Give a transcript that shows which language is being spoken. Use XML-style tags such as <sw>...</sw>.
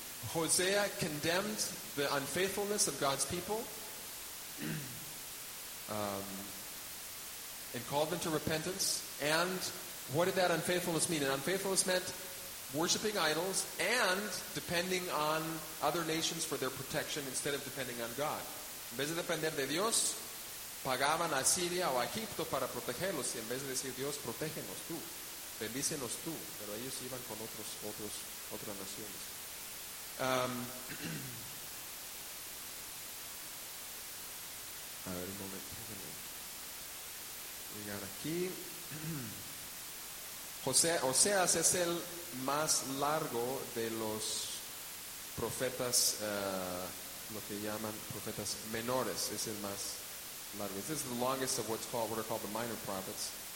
<en>Hosea condemned the unfaithfulness of God's people and called them to repentance. And what did that unfaithfulness mean? And unfaithfulness meant worshiping idols and depending on other nations for their protection instead of depending on God.</en> <es>En vez de depender de Dios, pagaban a Siria o a Egipto para protegerlos. Y en vez de decir, Dios, protégenos tú, bendícenos tú. Pero ellos iban con otras naciones. A ver, un momento. Llegar aquí. Oseas es el más largo de los profetas, lo que llaman profetas menores, es el más largo.</es> <en>This is the longest of what are called the minor prophets.</en>